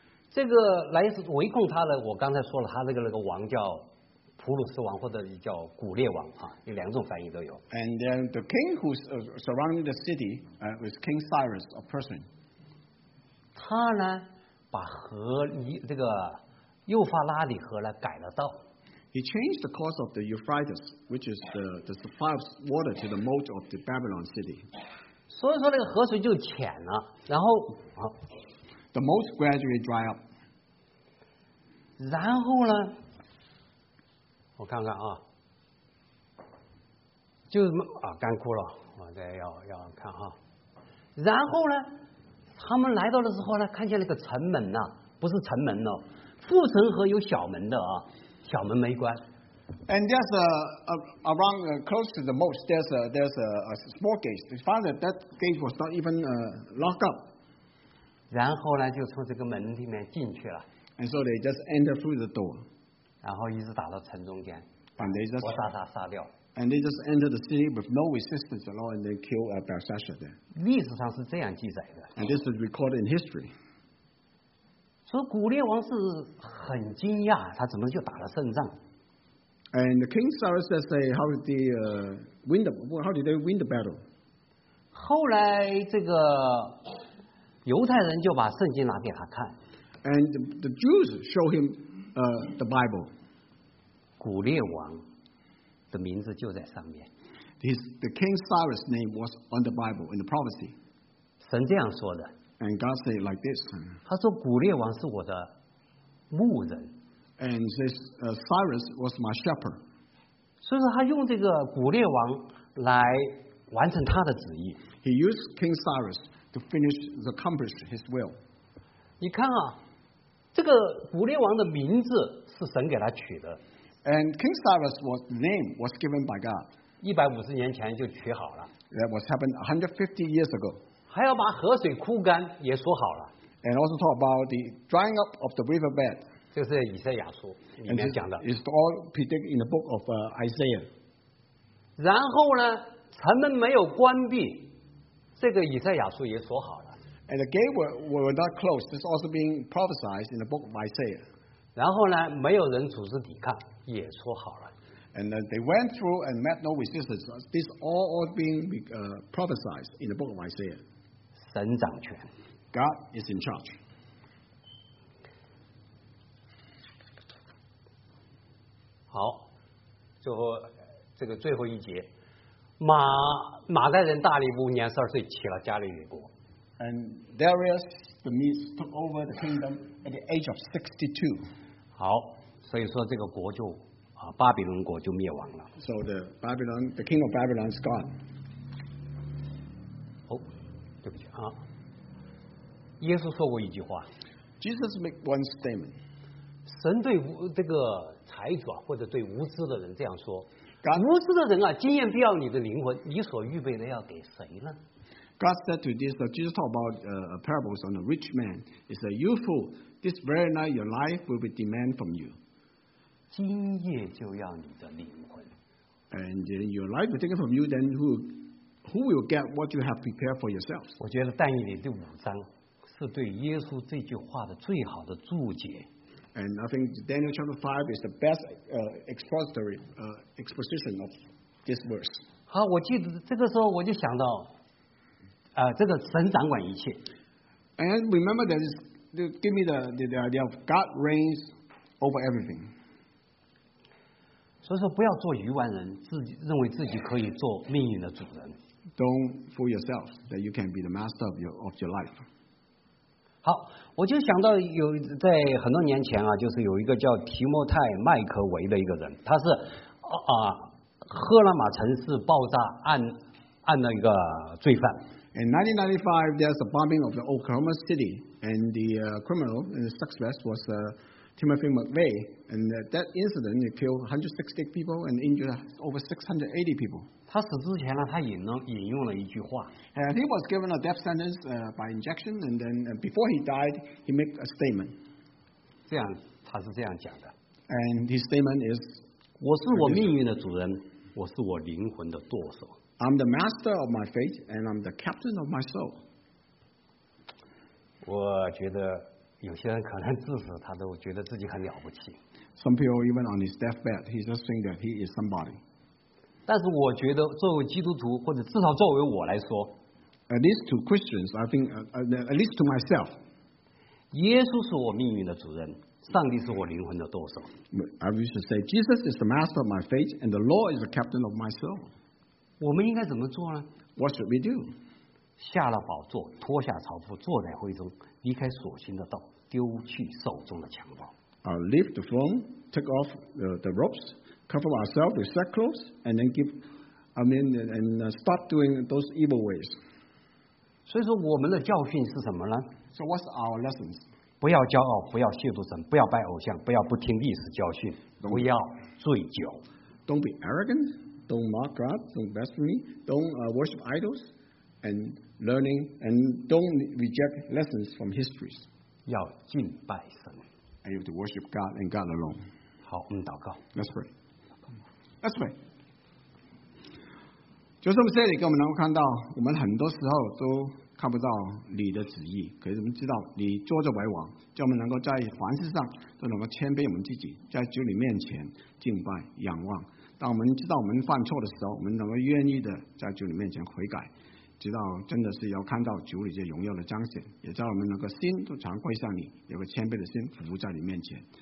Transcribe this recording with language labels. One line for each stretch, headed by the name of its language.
Chinese: 这个来围控他的，我刚才说了，他这个王叫普鲁斯王，或者叫古列王啊，有两种翻译都有。
English: And then the king who's surrounding the city was King Cyrus of Persia.
Chinese: 他呢，把河这个幼发拉底河呢改了道。
English: He changed the course of the Euphrates, which is the supply of water to the moat of the Babylon city.
Chinese: 所以说那个河水就浅了，然后啊。
English: The moat gradually dry up.
Chinese: 然后呢，我看看啊，就啊干枯了，我再要看哈。然后呢，他们来到的时候呢，看见那个城门呐、啊，不是城门哦，护城河有小门的啊，小门没关。
English: And there's around close to the moat, there's a small gate. They found that gate was not even locked up.
Chinese: 然后呢，就从这个门里面进去了。
English: And so they just enter through the door.
Chinese: 然后一直打到城中间。
English: And they just
Chinese: 我杀他杀掉。
English: And they just enter the city with no resistance at all, and they kill Belshazzar there.
Chinese: 历史上是这样记载的。
English: And this is recorded in history.
Chinese: 所以古列王是很惊讶，他怎么就打了胜仗
English: ？And the king Cyrus says, "How did they win the How did they win the battle?"
Chinese: 后来这个。犹太人就把圣经拿给他看
English: ，and the Jews show him the Bible.
Chinese: 古列王的名字就在上面。
English: The King Cyrus' name was on the Bible in the prophecy.
Chinese: 神这样说的。
English: And God said like this.
Chinese: 他说古列王是我的牧人。
English: And says Cyrus was my shepherd.
Chinese: 所以说他用这个古列王来完成他的旨意。
English: He used King Cyrus. To finish the accomplish his will.
Chinese: 你看啊，这个古列王的名字是神给他取的。
English: And King Cyrus was name was given by God.
Chinese: 150年前就取好了。
English: That was happened 150 years ago.
Chinese: 还要把河水枯干也说好了。
English: And also talk about the drying up of the riverbed.
Chinese: 这是以赛亚书里面讲的。
English: It's all predicted in the book of Isaiah.
Chinese: 然后呢，城门没有关闭。这个以赛亚书也说好了。
English: And the gate were not closed. This also being prophesied in the book of Isaiah.
Chinese: 然后呢，没有人组织抵抗，也说好了。
English: And then they went through and met no resistance. This all being prophesied in the book of Isaiah.
Chinese: 神掌权。
English: God is in charge.
Chinese: 好，最后这个最后一节。马代人大力乌年十二岁起了加利利国。
English: And Darius the Medes took over the kingdom at the age of 62.
Chinese: 好，所以说这个国就啊巴比伦国就灭亡了。
English: So the Babylon, the king of Babylon is gone.
Chinese: 对不起啊。耶稣说过一句话。
English: Jesus made one statement.
Chinese: 神对这个财主或者对无知的人这样说。无知的人啊，经验必要你的灵魂，你所预备的要给谁呢？
English: God said to this, Jesus talked about a parable on a rich man. He said, you fool, this very night your life will be demanded from you.
Chinese: 今夜就要你的灵魂。
English: And your life will be taken from you, then who will get what you have prepared for yourself?
Chinese: 我觉得但以理第五章是对耶稣这句话的最好的注解。
English: And I think Daniel chapter 5 is the best expository exposition of this verse.
Chinese: 好，我记得这个时候我就想到这个神掌管一切。
English: And remember that is give me the idea of God reigns over everything.
Chinese: 所以说不要做愚顽人，自己认为自己可以做命运的主人。
English: Don't fool yourself that you can be the master of your life.
Chinese: 好，我就想到有在很多年前啊，就是有一个叫提摩太麦克维的一个人，他是赫拉玛城市爆炸案的一个罪犯。
English: In 1995, there's a bombing of the Oklahoma City, and the criminal and the suspect was Timothy McVeigh. And that incident, it killed 160 people and injured over 680 people.
Chinese: 他死之前呢，他引用了一句话。
English: He was given a death sentence by injection, and then before he died, he made a statement.
Chinese: 这样，他是这样讲的。
English: And his statement is,
Chinese: 我是我命运的主人，我是我灵魂的舵手。
English: I'm the master of my fate, and I'm the captain of my soul.
Chinese: 我觉得有些人可能至死他都觉得自己很了不起。
English: Some people even on his deathbed, he just think that he is somebody.
Chinese: 但是我觉得作为基督徒，或者至少作为我来说
English: ，at least to Christians, I think at least to myself,
Chinese: 耶稣是我命运的主人，上帝是我灵魂的舵手。
English: I used to say Jesus is the master of my fate, and the Lord is the captain of my soul.
Chinese: 我们应该怎么做呢
English: ？What should we do？
Chinese: 下了宝座，脱下朝服，坐在会中，离开所行的道，丢去手中的强暴。
English: Leave the throne, take off the robes, cover ourselves with sackcloth, and then stop doing those evil ways.
Chinese: 所以说，我们的教训是什么呢
English: ？So what's our lessons？
Chinese: 不要骄傲，不要亵渎神，不要拜偶像，不要不听历史教训，不要醉酒。
English: Don't be arrogant. Don't mock God, don't blaspheme, don't worship idols, and learning, and don't reject lessons from histories.
Chinese: 要敬拜神。
English: And you have to worship God and God alone.
Chinese: 好，我们祷告。
English: Let's pray. Let's pray.
Chinese: 就是我们这里给我们能够看到，我们很多时候都看不到你的旨意，可是我们知道你坐着为王，叫我们能够在凡事上都能够谦卑我们自己，在主你面前敬拜仰望。当我们知道我们犯错的时候，我们能够愿意的在主你面前悔改，直到真的是要看到主里这荣耀的彰显，也叫我们能够心都常归向你，有个谦卑的心服在你面前。